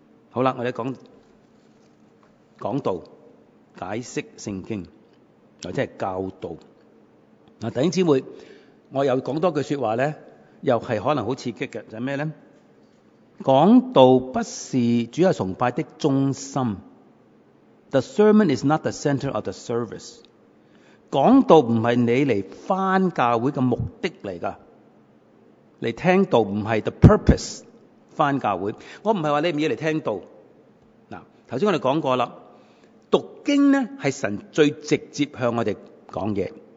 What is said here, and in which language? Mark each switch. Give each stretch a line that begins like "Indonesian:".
Chinese: 好了，我們講道解釋聖經，或者是教導、弟兄姊妹，我又講多句說話呢，又是可能很刺激的，就是什麼呢？讲道不是主日崇拜的中心。
English: The sermon is not the center of the service.
Chinese: 讲道不是你来翻教会的目的来的。来听道不是 the purpose, 翻教会。我不是说你不要来听道。刚才我们讲过了，读经呢是神最直接向我们讲的。